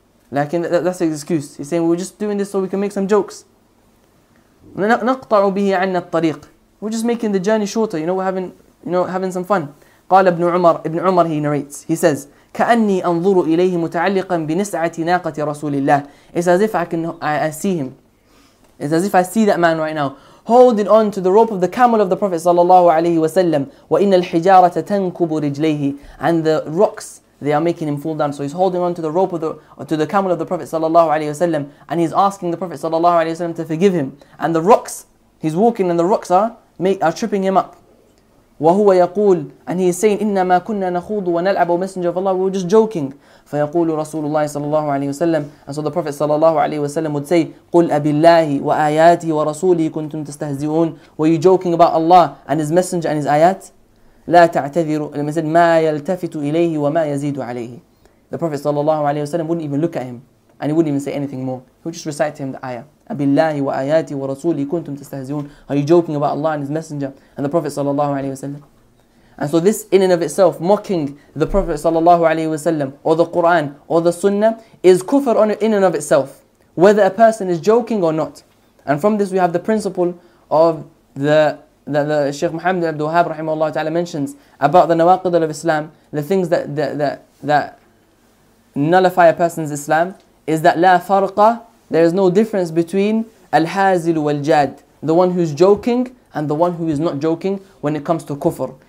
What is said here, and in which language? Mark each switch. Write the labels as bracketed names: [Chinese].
[English] Like, that's an excuse. He's saying, we're just doing this so we can make some jokes. [Arabic] نقطع به عنا الطريق. [English] We're just making the journey shorter. You know, we're having some fun. [Arabic] قال ابن عمر. [English] Ibn Umar, he narrates. He says, [Arabic] كأني أنظر إليه متعلقا بنسعة ناقة رسول الله. [English] It's as if I see him. It's as if I see that man right now, holding on to the rope of the camel of the Prophet sallallahu alaihi wasallam. [Arabic] وَإِنَّ الْحِجَارَةَ تَنْكُبُ رِجْلَيْهِ. [English] And the rocks, they are making him fall down. So he's holding on to the rope of the camel of the Prophet sallallahu alaihi wasallam, and he's asking the Prophet sallallahu alaihi wasallam to forgive him. And the rocks, he's walking, and the rocks are tripping him up. [Arabic] وهو يقول, [English] and he is saying, [Arabic] إنما كنا نخوض ونلعب, [English] O Messenger of Allah, we were just joking. [Arabic] فيقول رسول الله صلى الله عليه وسلم, [English] and so the Prophet [Arabic] صلى الله عليه وسلم [English] would say, [Arabic] قل أبالله وآياته ورسوله كنتم تستهزئون, [English] were you joking about Allah and His Messenger and His [Arabic] آيات؟ لا تعتذر, لما [English] said, [Arabic] ما يلتفت إليه وما يزيد عليه. [English] The Prophet صلى الله عليه وسلم wouldn't even look at him, and he wouldn't even say anything more. He would just recite to him the ayah. [Arabic] أبالله وآياته ورسوله كنتم تستهزئون. [English] Are you joking about Allah and His Messenger and the Prophet صلى الله عليه وسلم? And so this in and of itself, mocking the Prophet صلى الله عليه وسلم or the Quran or the Sunnah, is kufr on it in and of itself, whether a person is joking or not. And from this we have the principle of the Sheikh Muhammad ibn Abdul Wahhab rahimahullah ta'ala mentions about the nawaqid of Islam, the things that nullify a person's Islam, is that [Arabic] لا فرقة, [English] there is no difference between [Arabic] الحازل والجاد, [English] the one who's joking and the one who is not joking when it comes to kufr.